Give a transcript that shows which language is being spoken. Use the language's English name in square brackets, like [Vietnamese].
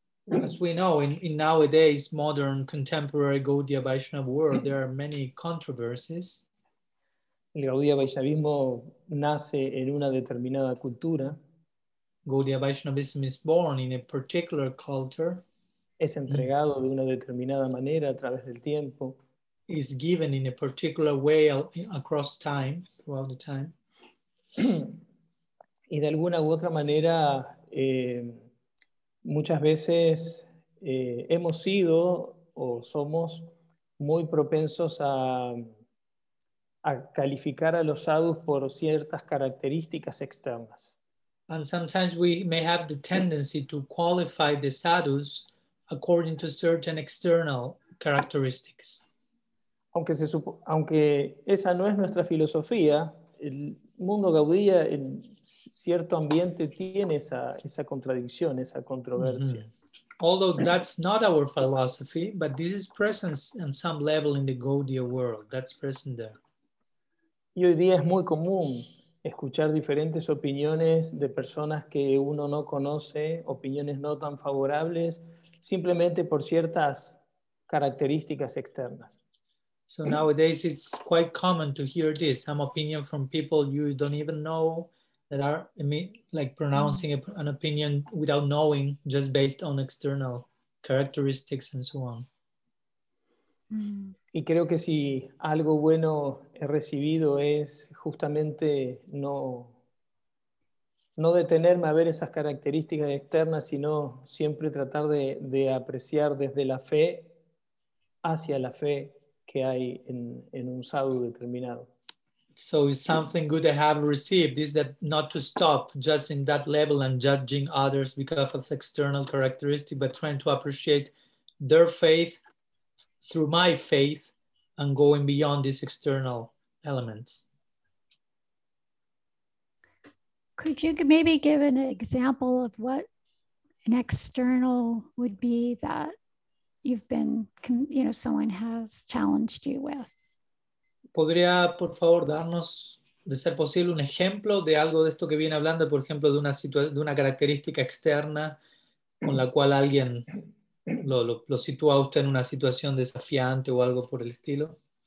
[English] As we know, in nowadays modern contemporary Gaudiya Vaishnava world, there are many controversies. [Spanish] El Gaudiya Vaishnavismo nace en una determinada cultura. [English] Gaudiya Vaishnavism is born in a particular culture. [Spanish] Es entregado de una determinada manera a través del tiempo. [English] Is given in a particular way across time, throughout the time. [Spanish] Y de alguna u otra manera, muchas veces hemos sido o somos muy propensos a calificar a los sadhus por ciertas características externas. [English] And sometimes we may have the tendency to qualify the sadhus according to certain external characteristics. [Spanish] Aunque esa no es nuestra filosofía, el mundo gaudía en cierto ambiente tiene esa contradicción, esa controversia. Mm-hmm. [English] Although that's not our philosophy, but this is present on some level in the Gaudiya world. That's present there. [Spanish] Y hoy día es muy común escuchar diferentes opiniones de personas que uno no conoce, opiniones no tan favorables, simplemente por ciertas características externas. [English] So nowadays it's quite common to hear this, some opinion from people you don't even know that are like pronouncing an opinion without knowing, just based on external characteristics and so on. [Spanish] Y creo que si algo bueno he recibido es justamente no detenerme a ver esas características externas, sino siempre tratar de apreciar desde la fe hacia la fe que hay en un sadhu determinado. [English] So it's something good I have received is that not to stop just in that level and judging others because of external characteristics, but trying to appreciate their faith through my faith and going beyond these external elements. Could you maybe give an example of what an external would be that you've been, you know, someone has challenged you with? [Spanish] ¿Podría, por favor, darnos, de ser posible, un ejemplo de algo de esto que viene hablando, por ejemplo, de una característica externa con la cual alguien lo sitúa usted en una situación desafiante o algo por el estilo?